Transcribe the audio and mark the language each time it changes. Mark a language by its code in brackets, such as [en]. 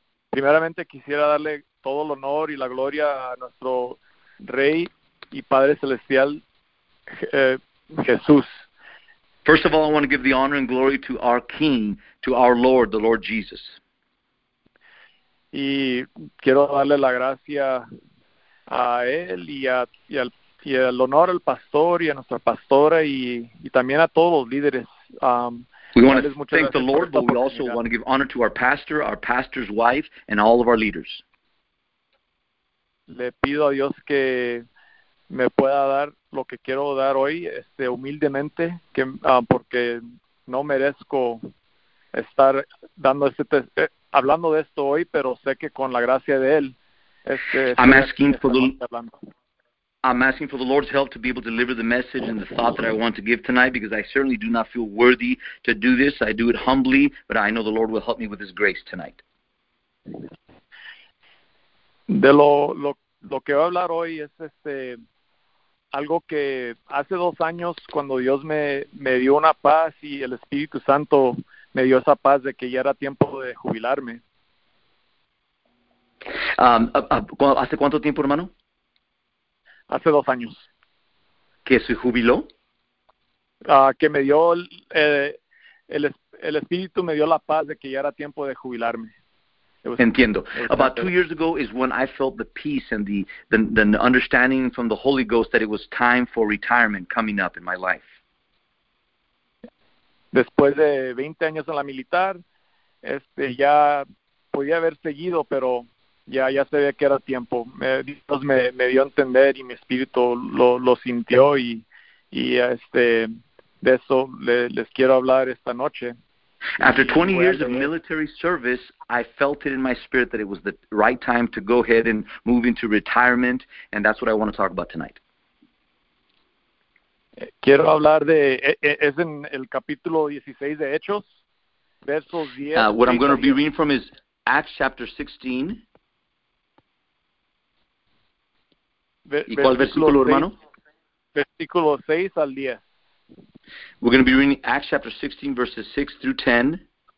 [es] Primeramente quisiera darle todo el honor y la gloria a nuestro Rey y Padre Celestial, Jesús. [en] First of all, I want to give the honor and glory to our King, to our Lord, the Lord Jesus. [es] Y quiero darle la gracia a él y al honor al pastor y a nuestra pastora y también a todos los líderes. [en] We want to thank the Lord, but we also want to give honor to our pastor, our pastor's wife, and all of our leaders. [es] Le pido a Dios que me pueda dar lo que quiero dar hoy, humildemente, que porque no merezco estar dando hablando de esto hoy, pero sé que con la gracia de él, [en] I'm asking for the Lord's help to be able to deliver the message and the thought that I want to give tonight, because I certainly do not feel worthy to do this. I do it humbly, but I know the Lord will help me with His grace tonight. [es] De lo que voy a hablar hoy es algo que hace dos años, cuando Dios me dio una paz y el Espíritu Santo me dio esa paz de que ya era tiempo de jubilarme. ¿Hace cuánto tiempo, hermano? Hace dos años. ¿Que se jubiló? Que me dio el Espíritu me dio la paz de que ya era tiempo de jubilarme. Entiendo. [en] About 2 years ago is when I felt the peace and the understanding from the Holy Ghost that it was time for retirement coming up in my life. [es] Después de 20 años en la militar, ya podía haber seguido, pero ya sabía que era tiempo. Dios me dio a entender y mi espíritu lo sintió y de eso les quiero hablar esta noche. [en] After 20 years of military service, I felt it in my spirit that it was the right time to go ahead and move into retirement, and that's what I want to talk about tonight. [es] Quiero hablar de, es en el capítulo 16 de Hechos, versos 10. [en] What I'm going to be reading from is Acts chapter 16. [es] ¿Y cuál versículo, hermano? Versículo 6 al 10. [en] We're going to be reading Acts chapter 16, verses 6 through 10.